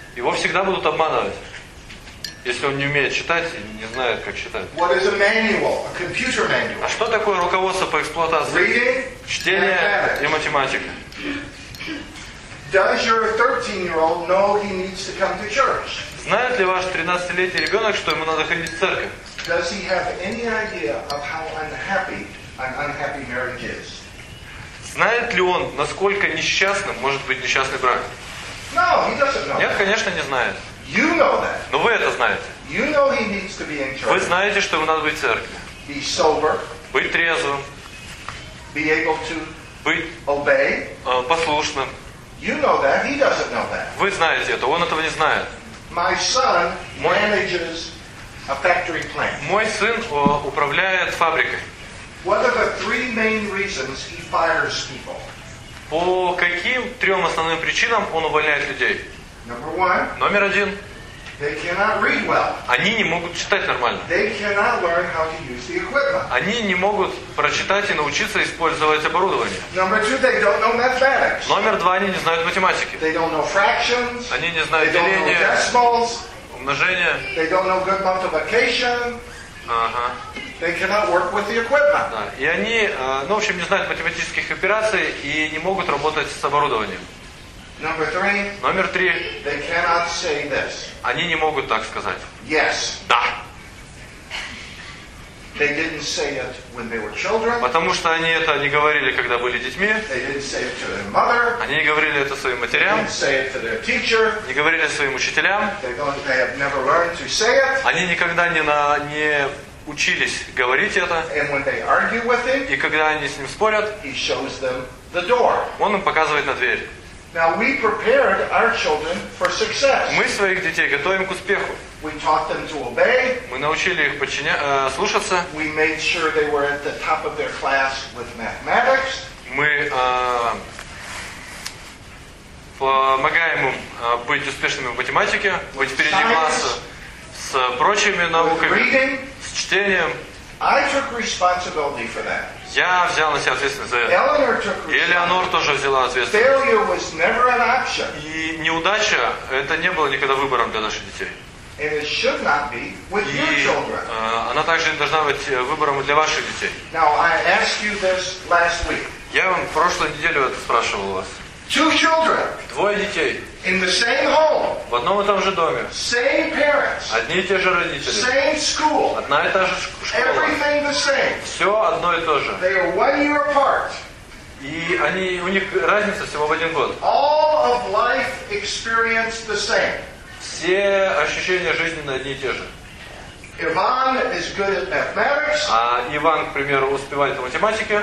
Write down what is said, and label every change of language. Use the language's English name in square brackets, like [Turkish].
[Russian] Его всегда будут обманывать, если он не умеет читать и не знает, как читать. [English] What is a manual, a computer manual? [Russian] А что такое руководство по эксплуатации? [English] Reading, [Russian] чтение и математика. [English] Does your 13-year-old know he needs to come to church? [Russian] Знает ли ваш 13-летний ребенок, что ему надо ходить в церковь? [English] Does he have any idea of how unhappy an unhappy marriage is? [Russian] Знает ли он, насколько несчастным может быть несчастный брак? [English] No, he doesn't know. [Russian] Нет, конечно, не знает. [English] You know that. [Russian] Но вы это знаете. [English] You know he needs to be in church. [Russian] Вы знаете, что ему надо быть в церкви. [English] Be sober. [Russian] Быть трезвым. [English] Be able to. [Russian] Быть [English] obey. [Russian] Послушным. [English] You know that. He doesn't know that. [Russian] Вы знаете это. Он этого не знает. [English] My son manages. A factory plant. [Russian] Мой сын управляет фабрикой. [English] What are the three main reasons he fires people? [Russian] По каким трем основным причинам он увольняет людей? [English] Number one. [Russian] Номер один. [English] They cannot read well. [Russian] Они не могут читать нормально. [English] They cannot learn how to use the equipment. [Russian] Они не могут прочитать и научиться использовать оборудование. [English] Number two, they don't know mathematics. [Russian] Номер два, они не знают математики. [English] They don't know fractions. [Russian] Они не знают деления. [English] They don't know decimals. [Russian] Умножение. [English] They don't know good multiplication. Uh-huh. They cannot work with the equipment. [Russian] Да. И они, ну, в общем, не знают математических операций и не могут работать с оборудованием. [English] Number three. [Russian] Номер три. [English] They cannot say this. [Russian] Они не могут так сказать. [English] Yes. [Russian] Да. [English] They didn't say it when they were children. [Russian] Потому что они это не говорили, когда были детьми. [English] They didn't say it to their mother. [Russian] Они не говорили это своим матерям. [English] They didn't say it to their teacher. [Russian] Не говорили своим учителям. [English] They have never learned to say it. [Russian] Они никогда не учились говорить это. [English] And when they argue with him, [Russian] и когда они с ним спорят, [English] he shows them the door. [Russian] Он им показывает на дверь. [English] Now we prepared our children for success. [Russian] Мы своих детей готовим к успеху. [English] We taught them to obey. [Russian] Мы научили их слушаться. [English] We made sure they were at the top of their class with mathematics. [Russian] Мы помогаем им быть успешными в математике, быть впереди класса с прочими науками, с чтением. [English] I took responsibility for that. [Russian] Я взял на себя ответственность за это. И Элеонор тоже взяла ответственность. И неудача, это не было никогда выбором для наших детей. И она также не должна быть выбором для ваших детей. [English] Now, I asked you this last week. [Russian] Я вам в прошлую неделю это спрашивал у вас. [English] Two children. [Russian] Двое детей. [English] In the same home. [Russian] В одном и том же доме. [English] Same parents. [Russian] Одни и те же родители. [English] Same school. [Russian] Одна и та же школа. [English] Everything the same. [Russian] Все одно и то же. [English] They are 1 year apart. [Russian] И у них разница всего в один год. [English] All of life experience the same. [Russian] Все ощущения жизненные одни и те же. [English] Иван is good at mathematics. [Russian] А Иван, к примеру, успевает в математике.